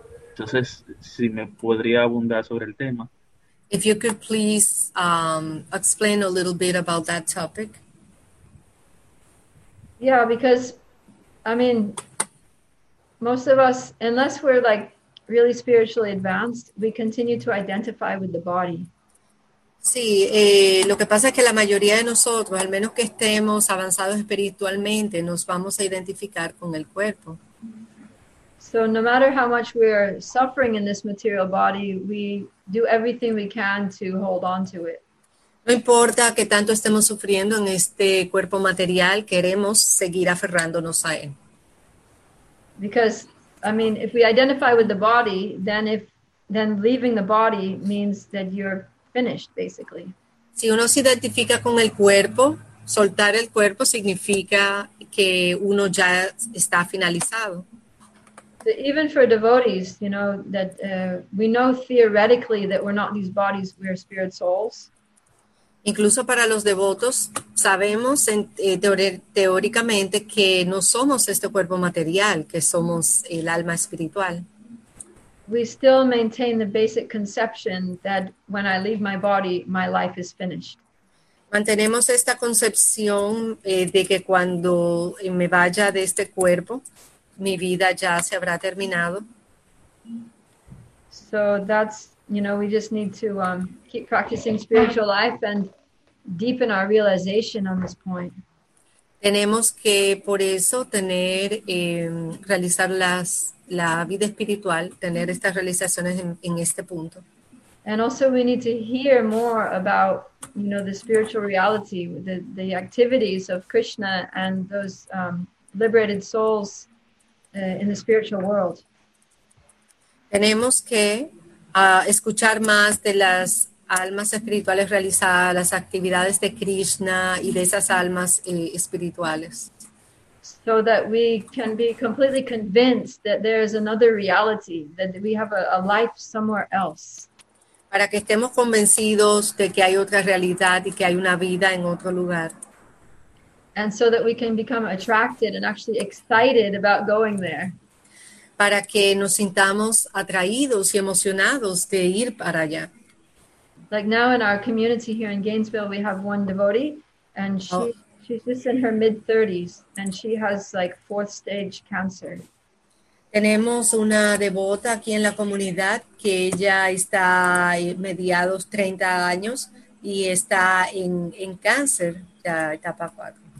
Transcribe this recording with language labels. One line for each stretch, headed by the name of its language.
Spanish: Entonces, si me podría abundar sobre el tema.
English: If you could please explain a little bit about that topic. Yeah, because, I mean, most of us, unless we're like really spiritually advanced, we continue to identify with the body.
Spanish: Sí, lo que pasa es que la mayoría de nosotros, al menos que estemos avanzados espiritualmente, nos vamos a identificar con el cuerpo.
English: So no matter how much we are suffering in this material body, we do everything we can to hold on to it.
Spanish: No importa que tanto estemos sufriendo en este cuerpo material, queremos seguir aferrándonos a él.
English: Because, I mean, if we identify with the body, then leaving the body means that you're finished, basically.
Spanish: Si uno se identifica con el cuerpo, Soltar el cuerpo significa que uno ya está finalizado.
English: So even for devotees, you know, that we know theoretically that we're not these bodies, we are spirit souls.
Spanish: Incluso para los devotos, sabemos teóricamente que no somos este cuerpo material, que somos el alma espiritual.
English: We still maintain the basic conception that when I leave my body, my life is finished.
Spanish: Mantenemos esta concepción de que cuando me vaya de este cuerpo, mi vida ya se habrá terminado.
English: So that's, you know, we just need to keep practicing spiritual life and deepen our realization on this point.
Spanish: Tenemos que, por eso, tener, realizar la vida espiritual, tener estas realizaciones en este punto.
English: And also we need to hear more about, you know, the spiritual reality, the activities of Krishna and those liberated souls in the spiritual world.
Spanish: Tenemos que escuchar más de las almas espirituales realizadas, las actividades de Krishna y de esas almas espirituales.
English: So that we can be completely convinced that there is another reality, that we have a life somewhere else.
Spanish: Para que estemos convencidos de que hay otra realidad y que hay una vida en otro lugar.
English: And so that we can become attracted and actually excited about going there.
Spanish: Para que nos sintamos atraídos y emocionados de ir para allá.
English: Like now in our community here in Gainesville, we have one devotee, and she's just in her mid-30s, and she has like fourth stage cancer.
Spanish: Tenemos una devota aquí en la comunidad que ella está mediados 30 años y está en cáncer, ya etapa 4.